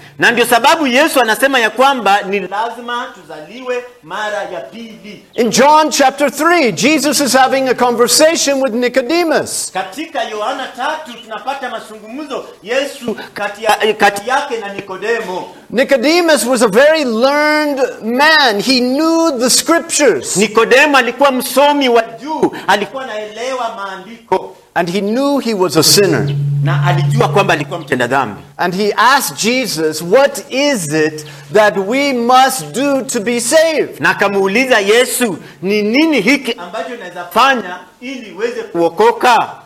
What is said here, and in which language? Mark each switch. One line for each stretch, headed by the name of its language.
Swahili: Na ndio sababu Yesu anasema ya kwamba ni lazima tuzaliwe mara ya pili.
English: In John chapter 3, Jesus is having a conversation with Nicodemus.
Swahili: Katika Yohana 3 tunapata mazungumzo Yesu kati yake na Nikodemo.
English: Nicodemus was a very learned man. He knew the scriptures.
Swahili: Nikodemo alikuwa msomi wa juu, alikuwa anaelewa maandiko.
English: And he knew he was a sinner.
Swahili: Na alijua kwamba alikuwa mtenda dhambi.
English: And he asked Jesus, "What is it that we must do to be saved?"
Swahili: Na akamuuliza Yesu, "Ni nini hiki ambacho naweza fanya ili uweze kuokoka?"